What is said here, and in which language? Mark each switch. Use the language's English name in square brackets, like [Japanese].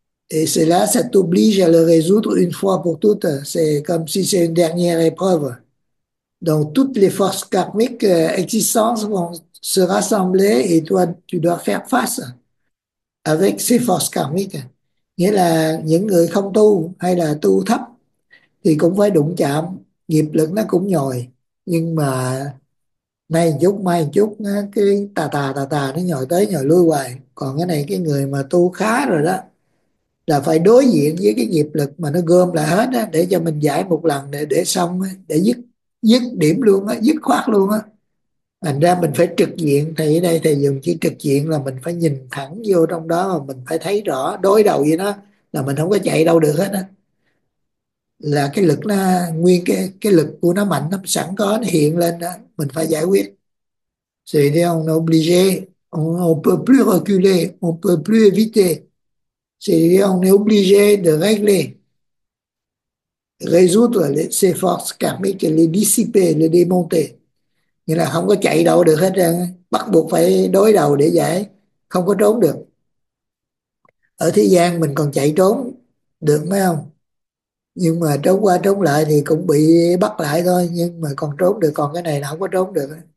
[French] Et cela, ça t'oblige à le résoudre une fois pour toutes. C'est comme si c'est une dernière épreuve. Donc, toutes les forces karmiques existantes vont se rassembler et toi, tu dois faire face avec ces forces karmiques. [Vietnamese] Nghĩa là những người không tu hay là tu thấp thì cũng phải đụng chạm, nghiệp lực nó cũng nhồi. Nhưng mà nay một chút, mai một chút, cái tà tà nó nhồi tới nhồi lui hoài. Còn cái này, cái người mà tu khá rồi đó, là phải đối diện với cái nghiệp lực mà nó gom lại hết đó, để cho mình giải một lần để xong, để dứt dứt điểm luôn á, dứt khoát luôn á. Thành ra mình phải trực diện, thì ở đây thầy dùng chữ trực diện là mình phải nhìn thẳng vô trong đó mà mình phải thấy rõ, đối đầu với nó là mình không có chạy đâu được hết á. Là cái lực nó nguyên cái lực của nó mạnh, nó sẵn có, nó hiện lên đó, mình phải giải quyết. [French] C'est on est obligé, on peut plus reculer, on peut plus éviter. C'est on est obligé de régler, résoudre ces forces karmiques, les dissiper, les démonter. [Vietnamese] Nghĩa là không có chạy đâu được hết trơn, bắt buộc phải đối đầu để giải, không có trốn được. Ở thế gian mình còn chạy trốn được phải không? Nhưng mà trốn qua trốn lại thì cũng bị bắt lại thôi, nhưng mà còn trốn được, còn cái này là không có trốn được.